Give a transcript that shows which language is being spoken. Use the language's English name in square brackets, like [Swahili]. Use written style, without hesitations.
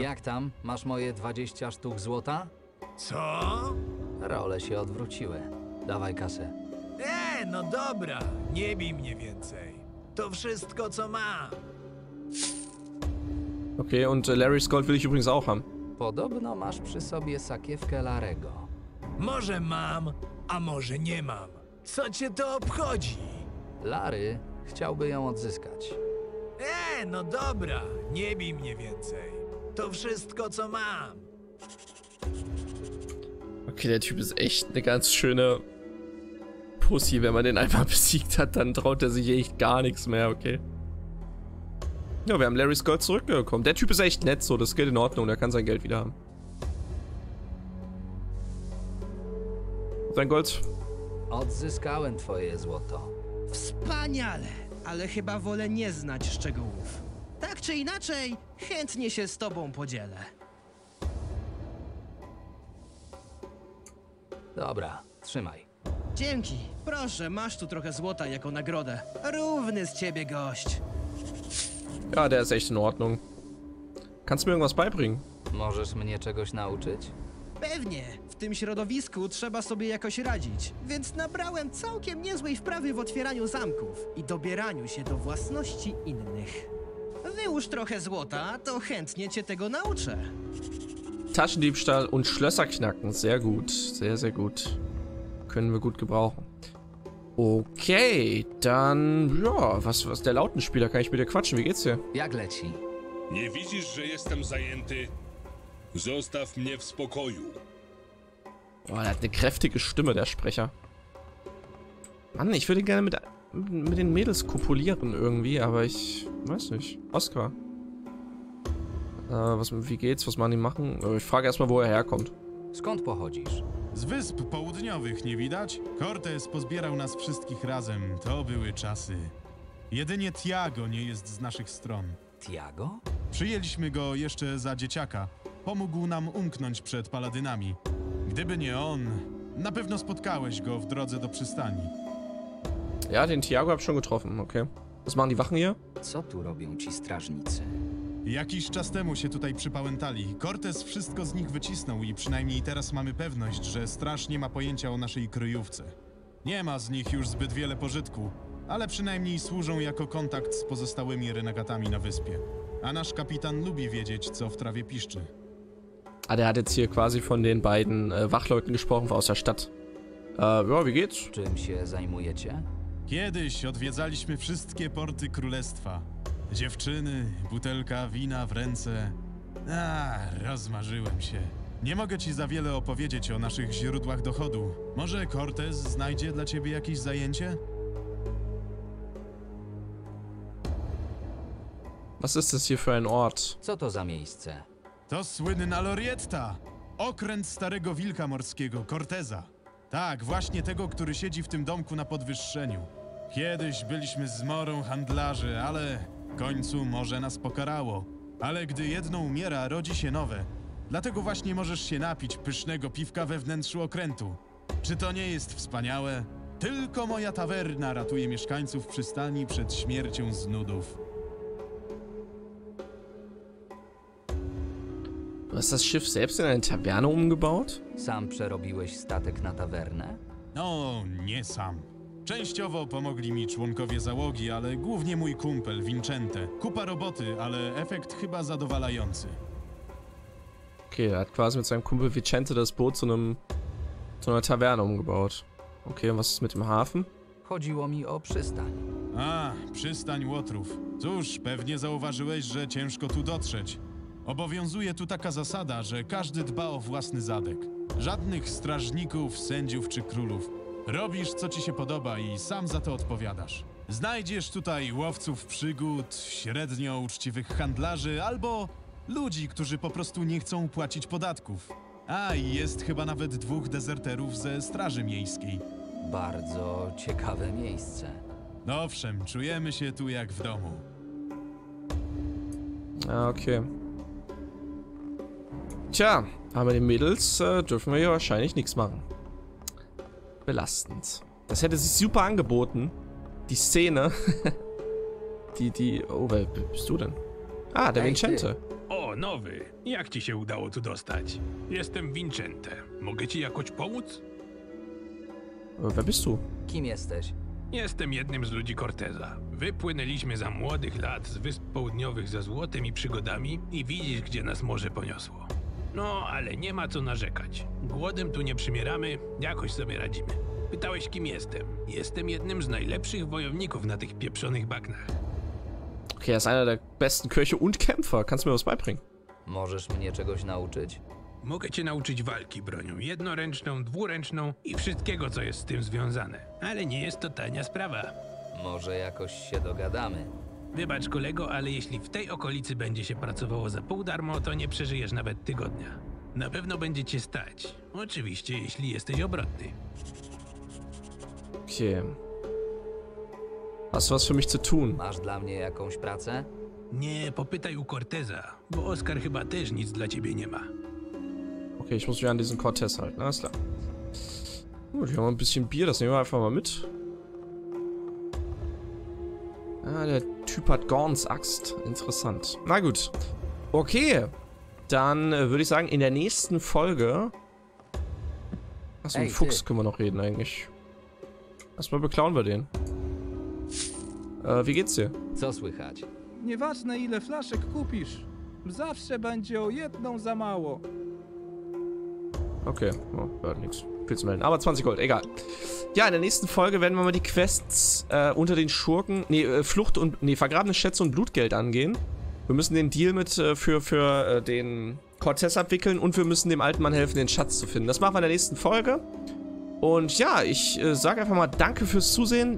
[Polish] Jak tam? Masz moje 20 sztuk złota? Co? Role się odwróciły. Dawaj kasę. No dobra. Nie bij mnie więcej. To wszystko, co mam. [German] Okay, und Larrys Gold will ich übrigens auch haben. [Polish] Podobno masz przy sobie sakiewkę Larego. Może mam, a może nie mam. Co cię to obchodzi? Larry chciałby ją odzyskać. No dobra, nie bij mnie więcej. To wszystko, co mam. [German] Okay, der Typ ist echt eine ganz schöne Pussy. Wenn man den einfach besiegt hat, dann traut er sich echt gar nichts mehr, okay? Ja, wir haben Larrys Gold zurückgekommen. Der Typ ist echt nett so, das geht in Ordnung, der kann sein Geld wieder haben. Dein Gold. [Polish] Odzyskałem twoje złoto. Wspaniale, ale chyba wolę nie znać szczegółów. Tak czy inaczej, chętnie się z tobą podzielę. Dobra, trzymaj. Dzięki, proszę, masz tu trochę złota jako nagrodę. Równy z ciebie gość. [German] Ja, der ist echt in Ordnung. Kannst du mir irgendwas beibringen? [Polish] Możesz mnie czegoś nauczyć? Pewnie. W tym środowisku trzeba sobie jakoś radzić. Więc nabrałem całkiem niezłej wprawy w otwieraniu zamków i dobieraniu się do własności innych. Wyłóż trochę złota, to chętnie cię tego nauczę. [German] Taschendiebstahl und Schlösser knacken. Sehr gut. Sehr, sehr gut. Können wir gut gebrauchen. Okay, dann, ja, was der Lautenspieler, kann ich mit dir quatschen, wie geht's dir? [Polish] Jak leci? Nie widzisz, że jestem zajęty? Zostaw mnie w spokoju. [German] Boah, der hat eine kräftige Stimme, der Sprecher. Mann, ich würde gerne mit den Mädels kopulieren irgendwie, aber ich weiß nicht. Oscar. Wie geht's, was man ihm machen? Ich frage erstmal, wo er herkommt. [Polish] Skąd pochodzisz? Z Wysp Południowych, nie widać? Cortes pozbierał nas wszystkich razem. To były czasy. Jedynie Tiago nie jest z naszych stron. Tiago? Przyjęliśmy go jeszcze za dzieciaka. Pomógł nam umknąć przed paladynami. Gdyby nie on, na pewno spotkałeś go w drodze do przystani. [German] Ja, den Tiago hab schon getroffen, okay. Was machen die Wachen hier? [Polish] Co tu robią ci strażnicy? Jakiś czas temu się tutaj przypałętali. Cortes wszystko z nich wycisnął i przynajmniej teraz mamy pewność, że straż nie ma pojęcia o naszej kryjówce. Nie ma z nich już zbyt wiele pożytku, ale przynajmniej służą jako kontakt z pozostałymi renegatami na wyspie. A nasz kapitan lubi wiedzieć, co w trawie piszczy. [German] A der hat jetzt hier quasi von den beiden Wachleuten gesprochen aus der Stadt. Ja, wie geht's? [Polish] Czym się zajmujecie? Kiedyś odwiedzaliśmy wszystkie porty królestwa. Dziewczyny, butelka wina w ręce. Rozmarzyłem się. Nie mogę ci za wiele opowiedzieć o naszych źródłach dochodu. Może Cortes znajdzie dla ciebie jakieś zajęcie? [German] Was ist das hier für ein Ort? [Polish] Co to za miejsce? To słynna Lorietta! Okręt starego wilka morskiego, Corteza. Tak, właśnie tego, który siedzi w tym domku na podwyższeniu. Kiedyś byliśmy z Morą handlarzy, ale w końcu morze nas pokarało. Ale gdy jedno umiera, rodzi się nowe. Dlatego właśnie możesz się napić pysznego piwka we wnętrzu okrętu. Czy to nie jest wspaniałe? Tylko moja tawerna ratuje mieszkańców przystani przed śmiercią z nudów. [German] Was das Schiff selbst in eine Taverne umgebaut? [Polish] Sam przerobiłeś statek na tawernę? No, nie sam. Częściowo pomogli mi członkowie załogi, ale głównie mój kumpel, Vincente. Kupa roboty, ale efekt chyba zadowalający. [German] Okay, er hat quasi mit seinem Kumpel Vicente das Boot zu einer Taverne umgebaut. Okay, und was ist mit dem Hafen? [Polish] Chodziło mi o przystań. A, przystań łotrów. Cóż, pewnie zauważyłeś, że ciężko tu dotrzeć. Obowiązuje tu taka zasada, że każdy dba o własny zadek. Żadnych strażników, sędziów czy królów. Robisz, co ci się podoba i sam za to odpowiadasz. Znajdziesz tutaj łowców przygód, średnio uczciwych handlarzy albo ludzi, którzy po prostu nie chcą płacić podatków. A, i jest chyba nawet dwóch dezerterów ze Straży Miejskiej. Bardzo ciekawe miejsce. Owszem, czujemy się tu jak w domu. Okej. [German] Tja, aber den Mädels dürfen wir hier wahrscheinlich nichts machen. Belastend. Das hätte sich super angeboten. Die Szene. Oh, wer bist du denn? Ah, der Vincente. [Polish] O, nowy. Jak ci się udało tu dostać? Jestem Vincente. Mogę ci jakoś pomóc? [German] Wer bist du? [Polish] Kim jesteś? Jestem jednym z ludzi Corteza. Wypłynęliśmy za młodych lat z Wysp Południowych ze złotymi przygodami i widzisz, gdzie nas morze poniosło. No, ale nie ma co narzekać. Głodem tu nie przymieramy, jakoś sobie radzimy. Pytałeś, kim jestem. Jestem jednym z najlepszych wojowników na tych pieprzonych bagnach. [German] Okay, jest einer der besten Köche und Kämpfer. Kannst du mir was beibringen? [Polish] Możesz mnie czegoś nauczyć? Mogę cię nauczyć walki bronią jednoręczną, dwuręczną i wszystkiego, co jest z tym związane. Ale nie jest to tania sprawa. Może jakoś się dogadamy. Wybacz, kolego, ale jeśli w tej okolicy będzie się pracowało za pół darmo, to nie przeżyjesz nawet tygodnia. Na pewno będzie cię stać. Oczywiście, jeśli jesteś obrotny. Kim? [German] Hast du was für mich zu tun? [Polish] Masz dla mnie jakąś pracę? Nie, popytaj u Corteza, bo Oskar chyba też nic dla ciebie nie ma. [German] Okej, okay, ich muss mich an diesen Cortez halten, alles klar. Gut, wir haben ein bisschen Bier, das nehmen wir einfach mal mit. Ah, der Typ hat Gorns Axt. Interessant. Na gut. Okay. Dann würde ich sagen, in der nächsten Folge. Achso, mit Fuchs können wir noch reden eigentlich. Erstmal beklauen wir den. Wie geht's dir? [Polish] Co słychać? Nieważne ile flaszek kupisz. Zawsze będzie o jedną za mało. [German] Okay, oh, ja, nix. Viel zu melden. Aber 20 Gold, egal. Ja, in der nächsten Folge werden wir mal die Quests unter den Schurken. Nee, Flucht und. Nee, vergrabene Schätze und Blutgeld angehen. Wir müssen den Deal mit für den Cortez abwickeln und wir müssen dem alten Mann helfen, den Schatz zu finden. Das machen wir in der nächsten Folge. Und ja, ich sage einfach mal danke fürs Zusehen.